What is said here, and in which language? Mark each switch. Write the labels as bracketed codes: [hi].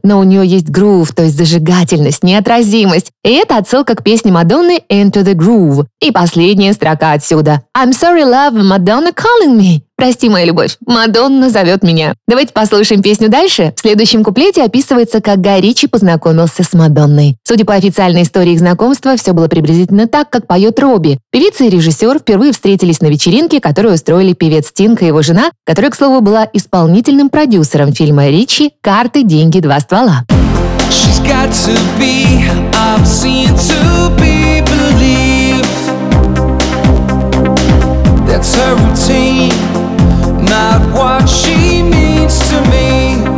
[ru] Но у нее есть грув, то есть зажигательность, неотразимость. И это отсылка к песне Мадонны Into the Groove. И последняя строка отсюда. [en] I'm sorry, love, Madonna calling me. [ru] Прости, моя любовь, Мадонна зовет меня. Давайте послушаем песню дальше. В следующем куплете описывается, как Гай Ричи познакомился с Мадонной. Судя по официальной истории их знакомства, все было приблизительно так, как поет Робби. Певица и режиссер впервые встретились на вечеринке, которую устроили певец Стинг и его жена, которая, к слову, была исполнительным продюсером фильма Ричи «Карты, деньги, два ствола». [en] She's got to be obscene to be believed. That's her routine. Not what she means to me.